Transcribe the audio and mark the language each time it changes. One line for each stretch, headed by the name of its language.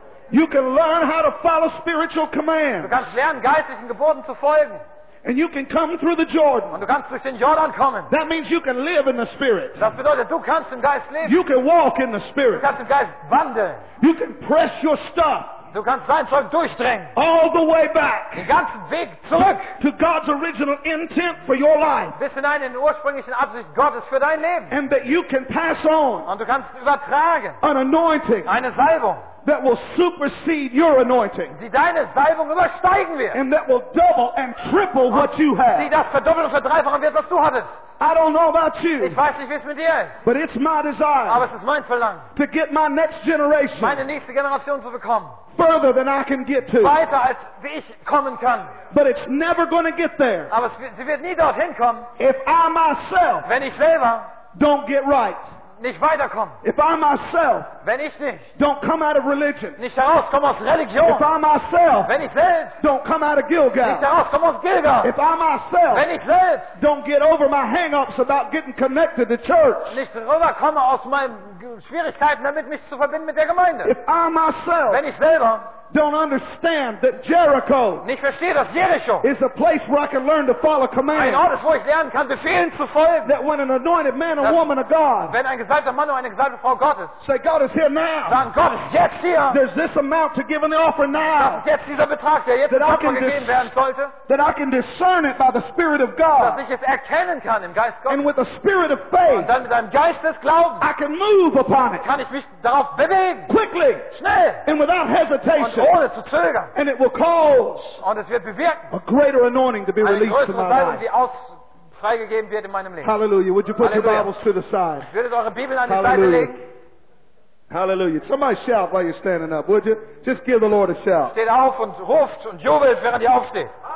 English: You can learn how to follow spiritual commands.
German: Du kannst lernen, geistlichen Geboten zu folgen.
English: And you can come through the Jordan.
German: Und du kannst durch den Jordan kommen.
English: That means you can live in the Spirit.
German: Das bedeutet, du kannst im Geist leben.
English: You can walk in the Spirit.
German: Du kannst im Geist wandeln.
English: You can press your stuff.
German: Du kannst dein Zeug durchdrängen.
English: All the way back.
German: Den ganzen Weg zurück.
English: To God's original intent for your life.
German: Bis hinein in den ursprünglichen Absicht Gottes für dein Leben.
English: And that you can pass on.
German: Und du kannst übertragen.
English: An anointing.
German: Eine Salbung.
English: That will supersede your anointing.
German: Die deine Salbung übersteigen wird.
English: And that will double and triple what you have.
German: Die das verdoppeln und verdreifachen wird, was du hattest.
English: I don't know about you.
German: Ich weiß nicht, wie es mit dir ist.
English: But it's my desire.
German: Aber es ist mein Verlangen.
English: To get my next generation.
German: Meine nächste Generation zu bekommen.
English: Further than I can get to.
German: Weiter als wie ich kommen kann.
English: But it's never going to get there.
German: Aber sie wird nie dorthin kommen.
English: If I myself.
German: Wenn ich selber.
English: Don't get right.
German: Nicht weiterkommen.
English: If I myself.
German: Wenn ich nicht.
English: Don't come out of religion.
German: Nicht herauskomme aus Religion.
English: If I myself.
German: Wenn ich selbst.
English: Don't come out of Gilgal.
German: Nicht herauskomme aus Gilgal.
English: If I myself.
German: Wenn ich selbst.
English: Don't get over my hang-ups about getting connected to church.
German: Nicht rüberkomme aus meinen Schwierigkeiten damit, mich zu verbinden mit der Gemeinde.
English: If I myself.
German: Wenn ich selber.
English: Don't understand that Jericho.
German: Nicht verstehe, dass Jericho
English: is a place where I can learn to follow commands.
German: Ein Ort, wo ich lernen kann, Befehlen zu folgen.
English: That when an anointed man or woman of God.
German: Wenn ein gesalbter Mann oder eine gesalbte Frau Gottes.
English: Say God is here now.
German: Dann Gott ist jetzt hier.
English: There's this amount to give in the offering now.
German: Das ist jetzt dieser Betrag, der jetzt gegeben werden sollte.
English: That I can discern it by the Spirit of God.
German: Dass ich es erkennen kann im Geist Gottes.
English: And with the Spirit of faith.
German: Und dann mit einem Geist des Glaubens.
English: I can move upon it.
German: Kann ich mich darauf bewegen.
English: Quickly.
German: Schnell.
English: And without hesitation.
German: Ohne zu zögern.
English: And it will cause.
German: Und es wird bewirken.
English: A greater anointing to be released in my life.
German: Eine größere Salbung, die freigegeben wird in meinem Leben.
English: Hallelujah. Would you put your Bibles to the side?
German: Würdet eure Bibeln an die Seite legen?
English: Hallelujah. Somebody shout while you're standing up, would you? Just give the Lord a shout.
German: Steht auf und ruft und jubelt, während ihr aufsteht.